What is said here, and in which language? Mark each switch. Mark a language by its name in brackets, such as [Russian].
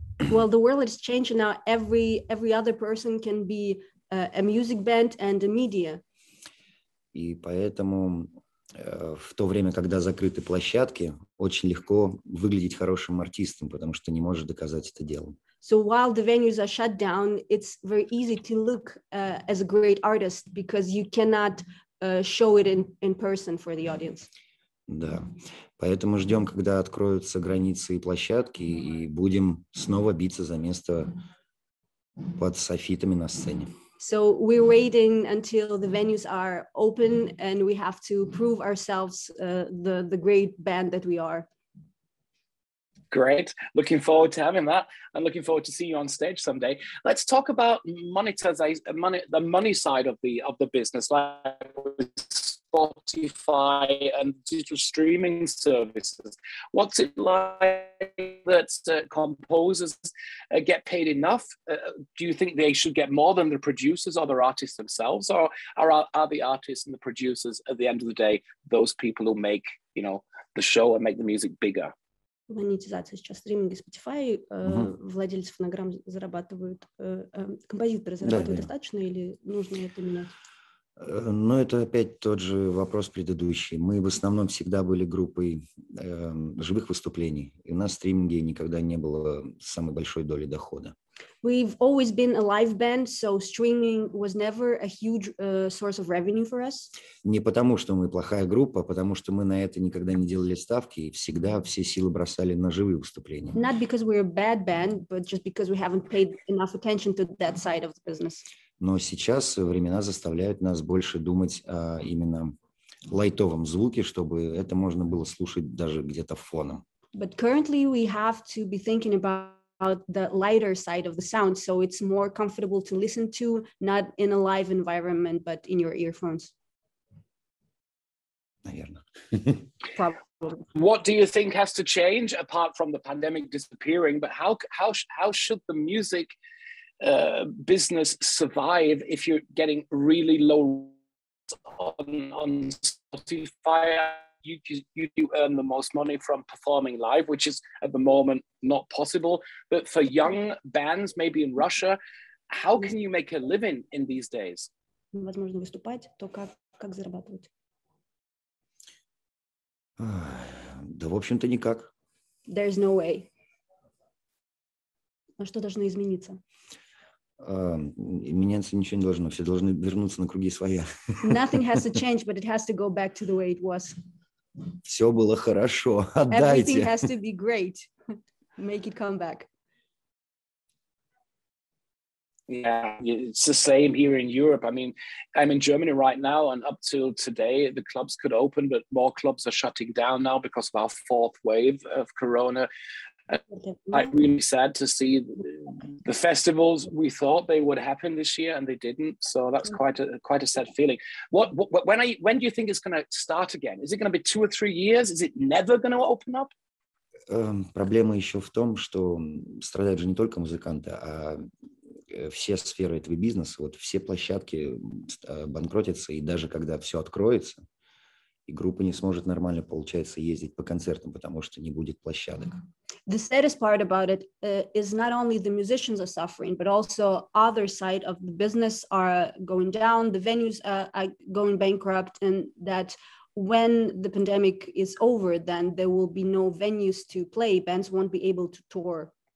[English] Well, the world has changed now. Every other person can be a music band and a media. [Russian] И поэтому в то время, когда закрыты площадки, очень легко выглядеть хорошим артистом, потому что не можешь доказать это делом. [English] So while the venues are shut down, it's very easy to look as a great artist because you cannot show it in person for the audience. [Russian] Да, поэтому ждем, когда откроются границы и площадки, и будем снова биться за место под софитами на сцене. [English] So we're waiting until the venues are open and we have to prove ourselves the great band that we are. Great. Looking forward to having that and looking forward to seeing you on stage someday. Let's talk about the money side of the business, like Spotify and digital streaming services. What's it like that composers get paid enough? Do you think they should get more than the producers or the artists themselves? Or are the artists and the producers, at the end of the day, those people who make, you know, the show and make the music bigger? [Russian] Монетизация сейчас стриминг и Spotify, владельцы фонограмм зарабатывают, композиторы зарабатывают, да, достаточно, да. Или нужно это менять? Ну, это опять тот же вопрос предыдущий. Мы в основном всегда были группой живых выступлений, и у нас в стриминге никогда не было самой большой доли дохода. [English] We've always been a live band, so streaming was never a huge source of revenue for us. [Russian] Не потому, что мы плохая группа, а потому что мы на это никогда не делали ставки и всегда все силы бросали на живые выступления. [English] Not because we're a bad band, but just because we haven't paid enough attention to that side of the business. [Russian] Но сейчас времена заставляют нас больше думать о именно лайтовом звуке, чтобы это можно было слушать даже где-то фоном. [English] But currently we have to be thinking about the lighter side of the sound, so it's more comfortable to listen to, not in a live environment, but in your earphones. What do you think has to change apart from the pandemic disappearing? But how should the music business survive if you're getting really low on Spotify? You earn the most money from performing live, which is at the moment not possible. But for young bands, maybe in Russia, how can you make a living in these days? [Russian] Невозможно выступать, то как зарабатывать? Да, в общем-то, никак. [English] There's no way. [Russian] А что должно измениться? Меняться ничего не должно. Все должны вернуться на круги своя. [English] Nothing has to change, but it has to go back to the way it was. [Russian] Все было хорошо. Отдайте. [English] Everything has to be great. Make it come back. Yeah, it's the same here in Europe. I mean, I'm in Germany right now, and up till today, the clubs could open, but more clubs are shutting down now because of our fourth wave of Corona. I'm really sad to see the festivals. We thought they would happen this year, and they didn't. So that's quite a sad feeling. When do you think it's going to start again? Is it going to be 2 or 3 years? Is it never going to open up? [Russian] Проблема еще в том, что страдают же не только музыканты, а все сферы этого бизнеса. Вот все площадки банкротятся, и даже когда все откроется, и группа не сможет нормально, получается, ездить по концертам, потому что не будет площадок. [English] The saddest part about it is not only the musicians are suffering, but also other side of the business are going down, the venues are going bankrupt, and that when the pandemic is over, then there will be no venues to play, bands won't be able to tour.